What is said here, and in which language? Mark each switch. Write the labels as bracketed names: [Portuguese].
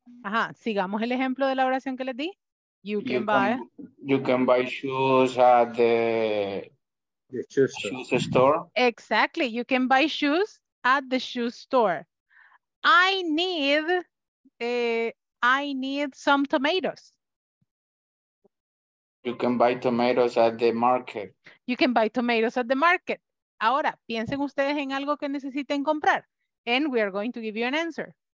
[Spanish] Ajá, sigamos el ejemplo de la oración que les di. [English] You can buy shoes at the shoe store. Exactly, you can buy shoes at the shoe store. I need some tomatoes. You can buy tomatoes at the market. You can buy tomatoes at the market. [Spanish] Ahora, piensen ustedes en algo que necesiten comprar. [English] And we are going to give you an answer.